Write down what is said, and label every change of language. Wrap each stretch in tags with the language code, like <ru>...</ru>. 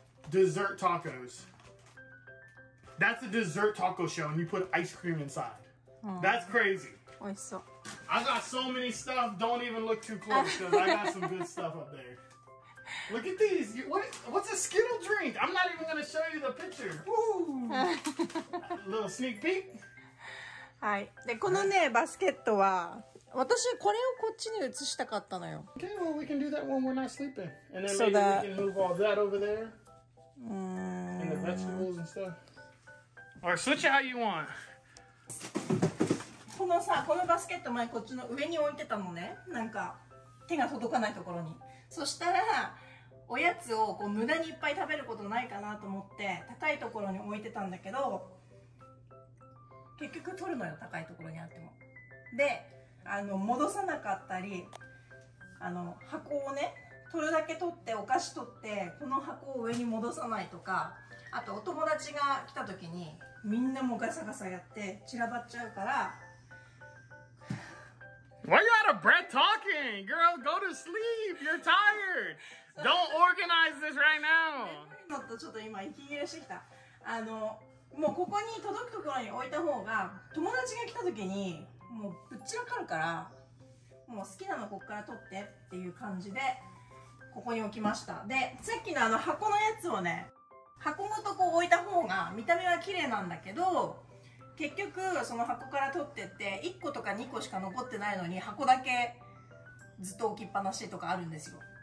<en>Dessert tacos. That's a dessert taco show, and you put ice cream inside.、Oh. That's crazy. I got so many stuff, don't even look too close because I got some good stuff up there. Look at these. What's a Skittle drink? I'm not even going to show you the picture. Woo! Little sneak peek.</en> <ja>はい。で、このね、バスケットは、私これをこっちに移したかったのよ。</ja> <en>Okay, well, we can do that when we're not sleeping. And then maybe we can move all that over there. And the vegetables and stuff. Or switch it how you want.</en> <ja>このさ、このバスケット前こっちの上に置いてたのね。なんか手が届かないところに。そしたらおやつをこう無駄にいっぱい食べることないかなと思って高いところに置いてたんだけど、結局取るのよ高いところにあっても。で、戻さなかったり、箱をね。取るだけ取ってお菓子取ってこの箱を上に戻さないとか、あとお友達が来た時にみんなもガサガサやって散らばっちゃうから。</ja> <en>Why are you out of breath talking? Girl, go to sleep! You're tired! Don't organize this right now!</en> <ja>ちょっと今息切れしてきた。あのもうここに届くところに置いた方が友達が来た時にもうぶっちらかるから、もう好きなのこっから取ってっていう感じでここに置きました。でさっきのあの箱のやつをね、箱ごとこう置いた方が見た目は綺麗なんだけど、結局その箱から取ってって1個とか2個しか残ってないのに箱だけずっと置きっぱなしとかあるんですよ。</ja>